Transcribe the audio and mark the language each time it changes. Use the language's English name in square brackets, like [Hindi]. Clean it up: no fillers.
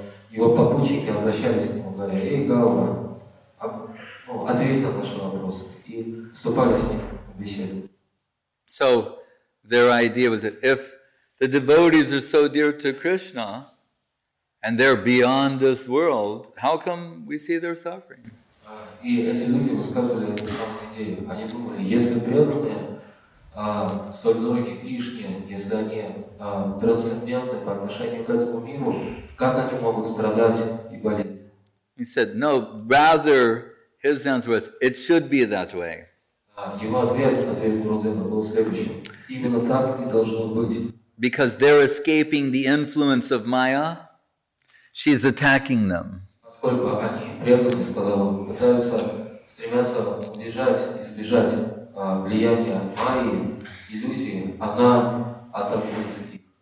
[Russian] Его попутчики обращались к нему, говоря: "Эй, Гауба, ответь на наши вопросы", и вступали с ним в беседу. [English] So their idea was that if the devotees are so dear to Krishna and they're beyond this world, how come we see their suffering? [Russian] И эти люди высказывали эту самую идею. Они думали, если преданные столь дороги Кришне, если они трансцендентны по отношению к этому миру, как они могут страдать и болеть? [English] He said, no, rather, his answer was, it should be that way. [Russian] Его ответ Гурудева был следующим. Именно так и должно быть. [English] Because they're escaping the influence of Maya, she's attacking them. [Russian] Поскольку они преданы, сказал он, пытаются, стремятся убежать и сбежать влияния Майи, иллюзии, она атакует.